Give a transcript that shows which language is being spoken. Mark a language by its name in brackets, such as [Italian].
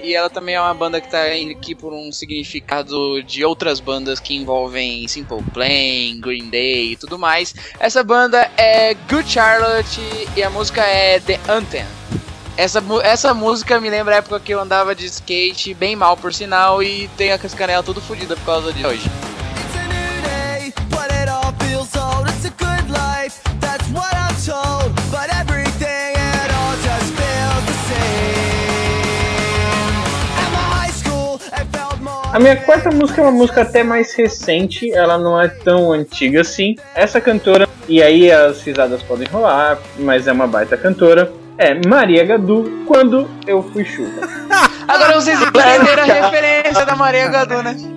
[Portuguese] E ela também é uma banda que tá aqui por um significado de outras bandas que envolvem Simple Plan, Green Day e tudo mais. Essa banda é Good Charlotte e a música é The Anthem. Essa música me lembra a época que eu andava de skate bem mal, por sinal, e tenho a canela tudo fodida por causa de hoje. [English] It's a new day, but it all feels old. It's a good life. That's what I'm told, but everything at all just feels the same. At my high school, I felt more. [Portuguese] A minha quarta música é uma música até mais recente, ela não é tão antiga assim. Essa cantora, e aí as risadas podem rolar, mas é uma baita cantora. É Maria Gadu, Quando Eu Fui Chuva. Agora vocês entenderam a referência da Maria Gadu, né?